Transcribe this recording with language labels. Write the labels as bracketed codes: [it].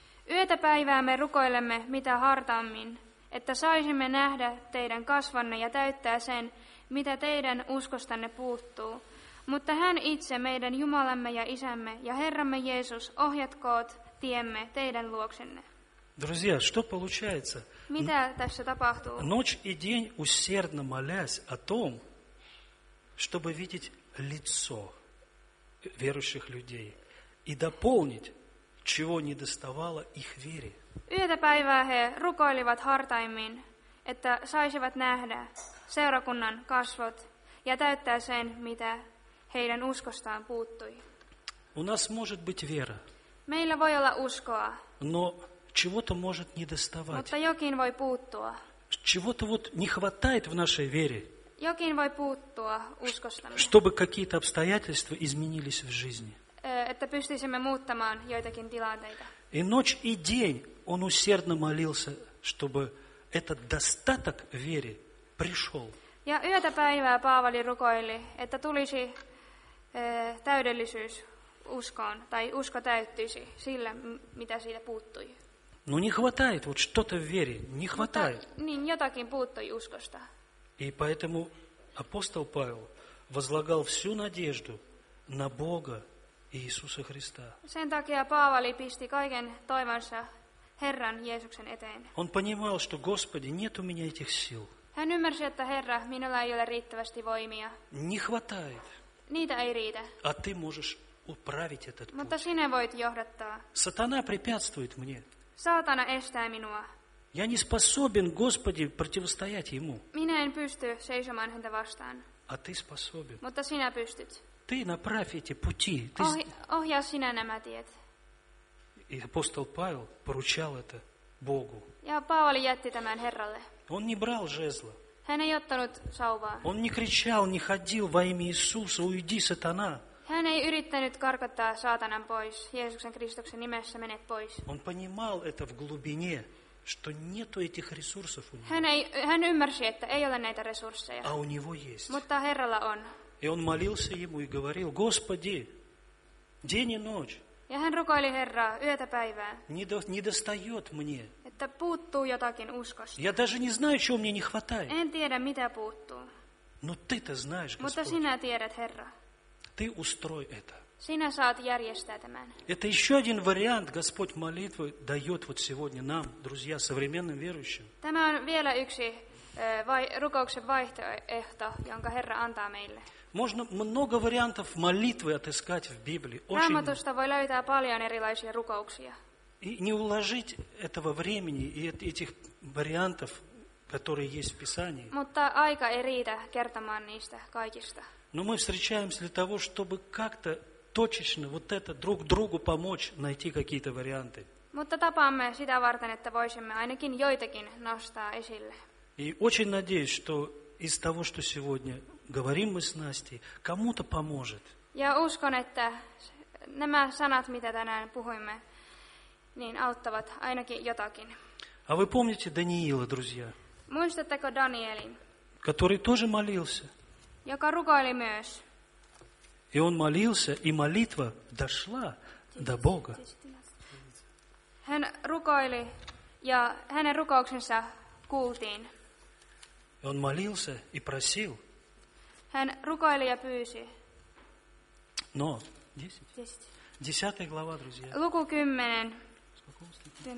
[fi] Yötä päivää me rukoilemme mitä hartaammin, että saisimme nähdä teidän kasvanne ja täyttää sen, mitä teidän uskostanne puuttuu. Mutta hän itse, meidän Jumalamme ja Isämme ja Herramme Jeesus, ohjatkoot tiemme teidän luoksenne. [ru] Друзья, что получается? [fi] Mitä tässä tapahtuu? [ru] Ночь и день усердно молясь о том, чтобы видеть лицо верующих людей и дополнить, чего недоставало их вере. [fi] Yötä päivää he rukoilivat hartaimmin, että saisivat nähdä seurakunnan kasvot ja täyttää sen, mitä heidän uskostaan puuttui. [ru] У нас может быть вера. [fi] Meillä voi olla uskoa. [ru] Но чего-то может недоставать. [fi] Mutta jokin voi puuttua. [ru] Чего-то вот не хватает в нашей вере. [fi] Jokin voi puuttua uskostamme. [ru] Чтобы какие-то обстоятельства изменились в жизни. [fi] Että pystyisimme muuttamaan joitakin tilanteita. [ru] И ночь и день он усердно молился, чтобы этот достаток веры пришел. [fi] Ja yötä päivää Paavali rukoili, että tulisi täydellisyys uskoon, tai usko täyttyisi sillä, mitä siitä puuttui. [ru] Ну не хватает вот что-то в вере, не хватает. [fi] Niin jotakin puuttui uskosta. [ru] И поэтому апостол Павел возлагал всю надежду на Бога и Иисуса Христа. [fi] Sen takia Paavali pisti kaiken toivonsa Herran Jeesuksen eteen. [ru] Он понимал, что Господи, нет у меня этих сил. [fi] Hän ymmärsi, että Herra, minulla ei ole riittävästi voimia. [ru] Не хватает. [fi] Niitä ei riitä. [ru] А ты можешь управить этот путь. [fi] Mutta sinä voit johdattaa. [ru] Сатана препятствует мне. [fi] Саатана estää minua. [ru] Я не способен, Господи, противостоять ему. [fi] Minä en pysty seisomaan häntä vastaan. [ru] А ты способен. [fi] Mutta sinä pystyt. [ru] Ты направь эти пути. [fi] Ohjaa sinä nämä tiet. [ru] И апостол Павел поручал это Богу. [fi] Ja Paavali jätti tämän Herralle. [ru] Он не брал жезла. [fi] Hän ei ottanut sauvaa. [ru] Он не кричал, не ходил во имя Иисуса, уйди, сатана. [fi] Hän ei yrittänyt karkottaa saatanan pois, Jeesuksen Kristuksen nimessä mene pois. [ru] Он понимал это в глубине, что нету этих ресурсов у него. [fi] Hän ymmärsi, että ei ole näitä resursseja. [ru] А у него есть. [fi] Mutta Herralla on. [ru] И он молился ему и говорил: Господи, день и ночь. [fi] Ja hän rukoili Herraa yötä päivää. [ru] Недостает мне. [fi] Että puuttuu jotakin uskosta. [ru] Я даже не знаю, чего мне не хватает. [fi] En tiedä, mitä puuttuu. [ru] Но ты-то знаешь, [fi] Mutta [ru] Господь. [fi] Mutta sinä tiedät, Herra. [ru] Ты устрой это. [fi] Sinä saat järjestää tämän. [ru] Это еще один вариант Господь молитвы дает вот сегодня нам, друзья, современным верующим. [fi] Tämä on vielä yksi rukouksen vaihtoehto, jonka Herra antaa meille. [ru] Можно много вариантов молитвы отыскать в Библии. [fi] Раматуста voi löytää paljon erilaisia rukouksia. [ru] И не уложить этого времени и этих вариантов которые есть в Писании. [fi] Mutta aika ei riitä kertomaan niistä kaikista. [ru] Но мы встречаемся для того, чтобы как-то точечно вот это друг другу помочь найти какие-то варианты. [fi] Mutta tapaamme sitä varten, että voisimme ainakin joitakin nostaa esille. [ru] И очень надеюсь, что из того, что сегодня говорим мы с Настей, кому-то поможет. [fi] Ja uskon, että nämä sanat, mitä tänään puhuimme, niin auttavat ainakin jotakin. [ru] А вы помните Даниила, друзья? [fi] Muistatteko Danielin? [ru] Который тоже молился. [fi] Joka rukoili myös. [ru] И он молился, и молитва дошла до Бога. [fi] Hän rukoili, ja hänen rukouksensa kuultiin. [ru] Он молился и просил. [fi] Hän rukoili ja pyysi. [ru] Но, 10 глава, друзья. [fi] Луку 10.